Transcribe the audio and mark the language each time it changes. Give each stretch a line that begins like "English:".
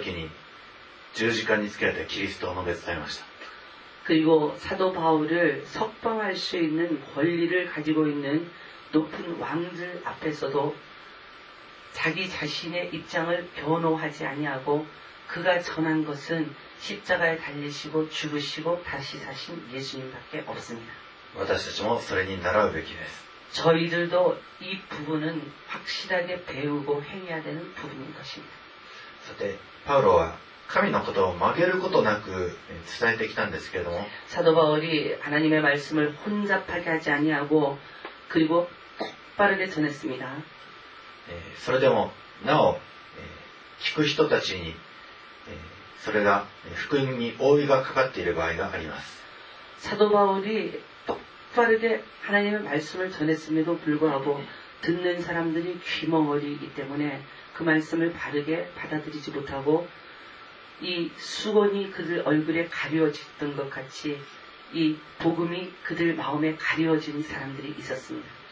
Japanese: また、パウロを釈放する権限のある王の前でも釈明するときに十字架につけられたキリストを述べ伝えました
Korean: 그리고 사도 바울을 석방할 수 있는 권리를 가지고 있는 높은 왕들 앞에서도 자기 자신의 입장을 변호하지 아니하고 그가 전한 것은 십자가에 달리시고 죽으시고 다시 사신 예수님밖에 없습니다.
Japanese: 私たちもそれに習うべきです
Korean: 저희들도 이 부분은 확실하게 배우고 행해야 되는 부분인 것입니다. 사도 바울은
Japanese: 神のことを曲げることなく伝えてきたんですけれども
Korean: 사도 바울이 하나님의 말씀을 혼잡하게 하지 아니하고 그리고 똑바르게 전했습니다.
Japanese: それでもなお聞く人たちに、それが福音に覆いがかかっている場合があります。
Korean: 사도바울이똑바르게하나님의말씀을전했음에도불구하고듣는사람들이귀멍어리이기때문에그말씀을바르게받아들이지못하고이수건이그들얼굴에가려진던것같이이복음이그들마음에가려진사람들이있었습니다